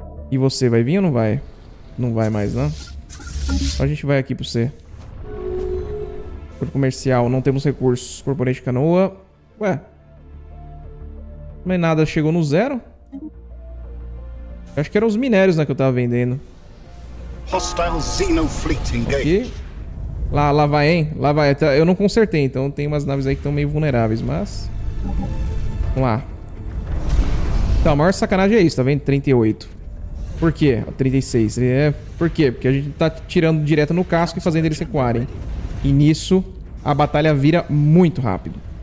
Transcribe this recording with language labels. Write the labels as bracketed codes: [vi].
[pt] E você vai vir ou não vai? Não vai mais, né? Então a gente vai aqui pro C. Porto comercial, não temos recursos. Corporate Canoa. Ué. Mas nada chegou no zero. Acho que eram os minérios, né, que eu tava vendendo. [en] Hostile Xeno Fleet engaged. [pt] Lá vai, hein? Lá vai. Eu não consertei, então tem umas naves aí que estão meio vulneráveis, mas. Vamos lá. Então, a maior sacanagem é isso, tá vendo? 38. Por quê? 36. É. Por quê? Porque a gente tá tirando direto no casco e fazendo eles recuarem. E nisso, a batalha vira muito rápido.